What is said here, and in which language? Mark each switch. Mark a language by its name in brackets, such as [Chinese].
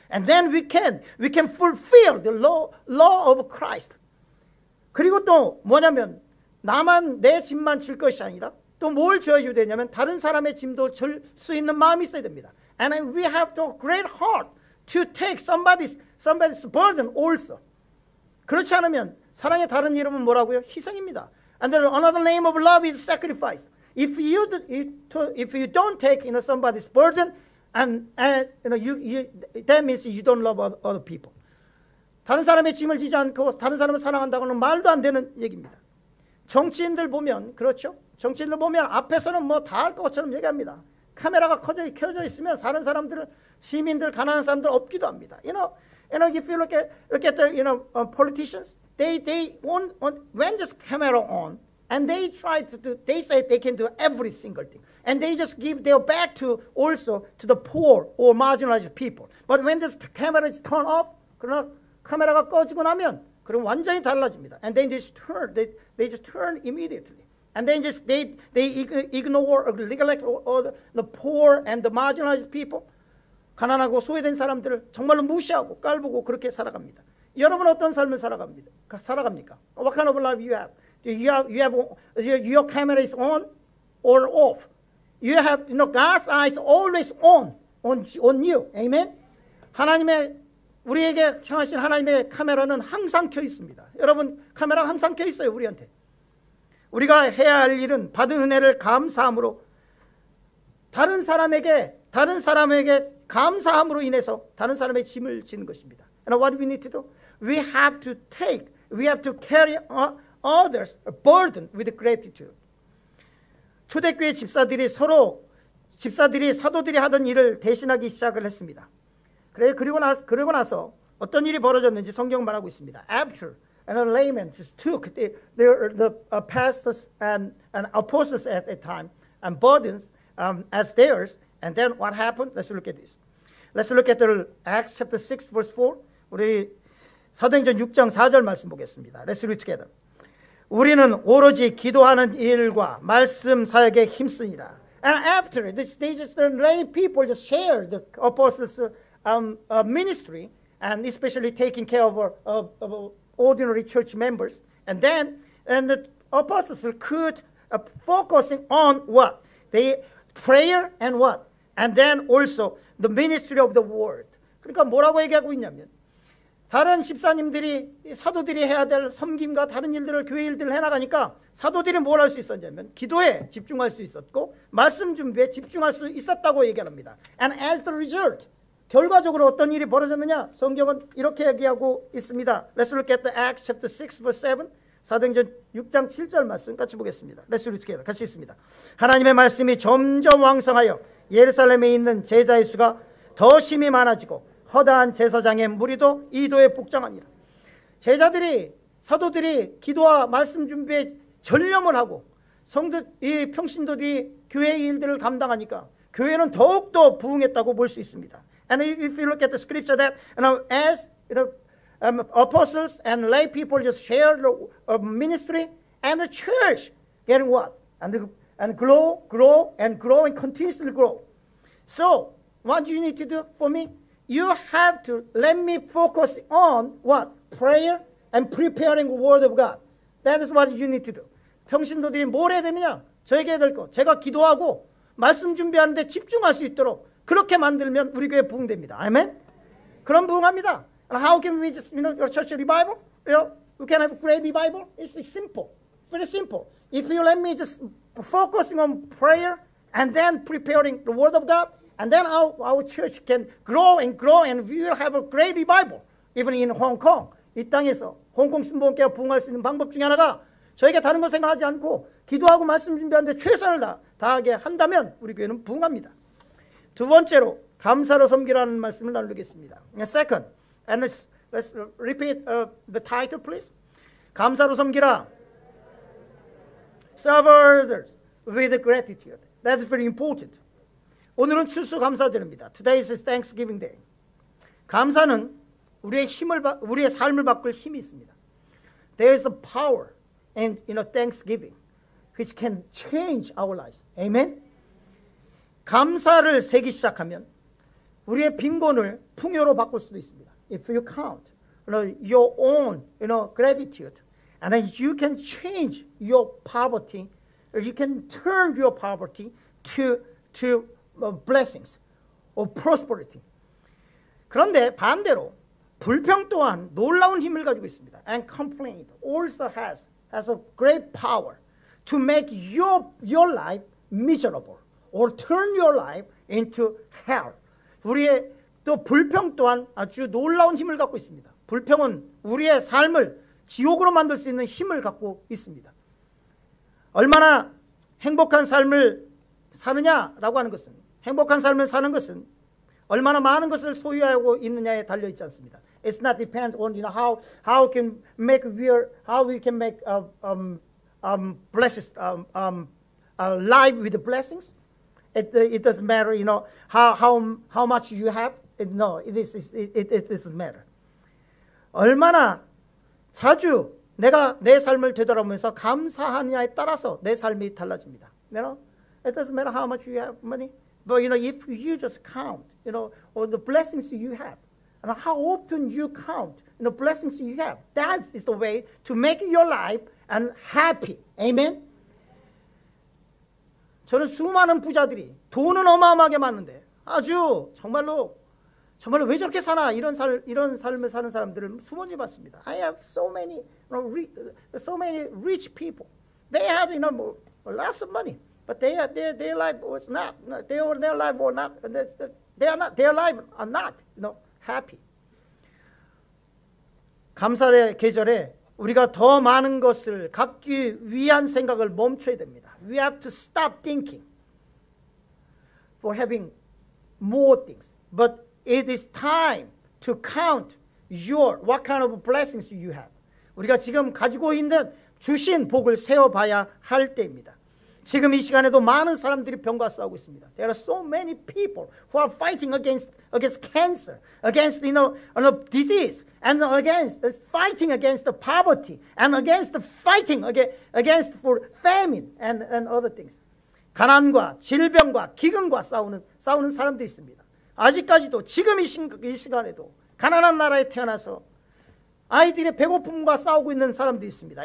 [English] And then we can fulfill the law of Christ. [Korean] 그리고 또 뭐냐면 나만 내 짐만 질 것이 아니라 또 뭘 져야 되냐면 다른 사람의 짐도 질 수 있는 마음이 있어야 됩니다. [English] And we have the great heart to take somebody's burden also. [Korean] 그렇지 않으면 사랑의 다른 이름은 뭐라고요? 희생입니다. [English] And then another name of love is sacrifice. If you don't take in somebody's burden, and you that means you don't love other people. [Korean] 다른 사람의 짐을 지지 않고 다른 사람을 사랑한다고는 말도 안 되는 얘기입니다. 정치인들 보면 그렇죠. 정치인들 보면 앞에서는 뭐 다 할 것처럼 얘기합니다. 카메라가 켜져 있으면 다른 사람들을 시민들 가난한 사람들 없기도 합니다. [English] You know if you look at the politicians, when just camera on. And they try to do, they say they can do every single thing. And they just give their back to also to the poor or marginalized people. But when this camera is turned off, [Korean] 그러나 카메라가 꺼지고 나면, 그럼 완전히 달라집니다. [English] And then they just turn immediately. And then just they ignore or neglect the poor and the marginalized people. [Korean] 가난하고 소외된 사람들을 정말로 무시하고 깔보고 그렇게 살아갑니다. 여러분 어떤 삶을 살아갑니까? [English] What kind of life you have? Your camera is on or off. You have, God's eyes always on you. Amen. [Korean] 하나님의 우리에게 향하신 하나님의 카메라는 항상 켜 있습니다. 여러분 카메라 항상 켜 있어요 우리한테. 우리가 해야 할 일은 받은 은혜를 감사함으로 다른 사람에게 감사함으로 인해서 다른 사람의 짐을 지는 것입니다. [English] And what we need to do? We have to take. We have to carry. Others are burdened with gratitude. [Korean] 초대교회 집사들이 사도들이 하던 일을 대신하기 시작을 했습니다. 그러고 나서 어떤 일이 벌어졌는지 성경은 말하고 있습니다. [English] After and the laymen just took the pastors and apostles at that time and burdens as theirs. And then what happened? Let's look at this. Let's look at the Acts chapter 6 verse 4. [Korean] 우리 사도행전 6장 4절 말씀 보겠습니다. [English] Let's read together. [Korean] 우리는 오로지 기도하는 일과 말씀 사역에 힘쓰니라. [English] And after this, they just lay people just share the apostles' ministry and especially taking care of ordinary church members. And then the apostles could focusing on what the prayer and what and then also the ministry of the word. [Korean] 그러니까 뭐라고 얘기하고 있냐면. 다른 집사님들이 사도들이 해야 될 섬김과 다른 일들을 교회 일들을 해나가니까 사도들이 뭘 할 수 있었냐면 기도에 집중할 수 있었고 말씀 준비에 집중할 수 있었다고 얘기합니다. [English] And as the result, [Korean] 결과적으로 어떤 일이 벌어졌느냐? 성경은 이렇게 얘기하고 있습니다. [English] Let's look at the Acts chapter 6 verse 7. [Korean] 사도행전 6장 7절 말씀 같이 보겠습니다. [English] Let's read together. [Korean] 같이 있습니다. 하나님의 말씀이 점점 왕성하여 예루살렘에 있는 제자의 수가 더 심히 많아지고 허다한 제사장의 무리도 이도에 복장하니라. 제자들이 사도들이 기도와 말씀 준비에 전념을 하고 성도이 평신도들이 교회 일들을 감당하니까 교회는 더욱 더 부흥했다고 볼 수 있습니다. [English] And if you look at the scripture that as apostles and lay people just share the ministry and the church getting what and grow and continuously grow. So what do you need to do for me? You have to let me focus on what? Prayer and preparing the word of God. That is what you need to do. [Korean] 평신도들이 뭘 해야 되느냐? 저에게 해야 될 거. 제가 기도하고 말씀 준비하는데 집중할 수 있도록 그렇게 만들면 우리 교회 부흥됩니다. 아멘? 그럼 부흥합니다. [English] And how can we just, your church revival? We can have a great revival? It's simple. Pretty simple. If you let me just focusing on prayer and then preparing the word of God, And then our church can grow and we will have a great revival. Even in Hong Kong, [Korean] 이 땅에서 홍콩 순복음교회가 부흥할 수 있는 방법 중에 하나가 저에게 다른 거 생각하지 않고 기도하고 말씀 준비하는데 최선을 다하게 한다면 우리 교회는 부흥합니다. 두 번째로 감사로 섬기라는 말씀을 나누겠습니다. [English] Second, and let's repeat the title, please. [Korean] 감사로 섬기라. [English] Serve others with gratitude. That is very important. [Korean] 오늘은 추수 감사절입니다. [English] Today is Thanksgiving Day. [Korean] 감사는 우리의 삶을 바꿀 힘이 있습니다. [English] There is a power in thanksgiving which can change our lives. Amen. [Korean] 감사를 세기 시작하면 우리의 빈곤을 풍요로 바꿀 수도 있습니다. [English] If you count your own gratitude, and then you can change your poverty, you can turn your poverty to blessings or prosperity. [Korean] 그런데 반대로 불평 또한 놀라운 힘을 가지고 있습니다. [English] And complaint also has a great power to make your life miserable or turn your life into hell. [Korean] 우리의 또 불평 또한 아주 놀라운 힘을 갖고 있습니다. 불평은 우리의 삶을 지옥으로 만들 수 있는 힘을 갖고 있습니다. 얼마나 행복한 삶을 사느냐라고 하는 것은 행복한 삶을 사는 것은 얼마나 많은 것을 소유하고 있느냐에 달려 있지 않습니다. [English] It's not depend on how we can make a life with blessings. It doesn't matter, how much you have. It doesn't matter. [Korean] 얼마나 자주 내가 내 삶을 되돌아보면서 감사하느냐에 따라서 내 삶이 달라집니다. [English] It doesn't matter how much you have money. But, if you just count, all the blessings you have, and how often you count, blessings you have, that is the way to make your life and happy. Amen? [Korean] 저는 수많은 부자들이 돈은 어마어마하게 많은데 아주 정말로 왜 저렇게 사나 이런 삶을 사는 사람들을 수많이 봤습니다. [English] I have so many rich people. They had lots of money, but their life are not happy. [Korean] 감사의 계절에 우리가 더 많은 것을 갖기 위한 생각을 멈춰야 됩니다. [English] We have to stop thinking for having more things. But it is time to count what kind of blessings you have. [Korean] 우리가 지금 가지고 있는 주신 복을 세어봐야 할 때입니다. 지금 이 시간에도 많은 사람들이 병과 싸우고 있습니다. [English] There are so many people who are fighting against cancer, against disease, and against fighting against the poverty, and against the fighting against for famine and other things. [Korean] 가난과 질병과 기근과 싸우는 사람들이 있습니다. 아직까지도 지금 이 시간에도 가난한 나라에 태어나서 아이들의 배고픔과 싸우고 있는 사람들이 있습니다.